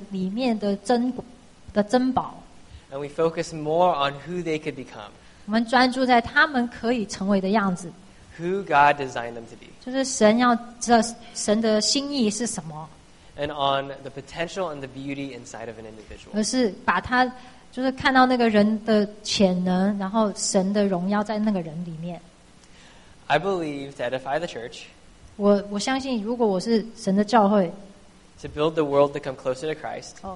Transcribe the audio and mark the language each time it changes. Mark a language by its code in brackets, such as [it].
[zh] 然后我们求神说看到那个人里面的珍宝。 [en] And we focus more on who they could become. [zh] 我们专注在他们可以成为的样子。 [en] Who God designed them to be. [zh] 就是神要知道神的心意是什么。 [en] And on the potential and the beauty inside of an individual. [zh] 而是把他就是看到那个人的潜能，然后神的荣耀在那个人里面。 [en] I believe to edify the church. [zh] 我相信如果我是神的教会。 [en] To build the world to come closer to Christ.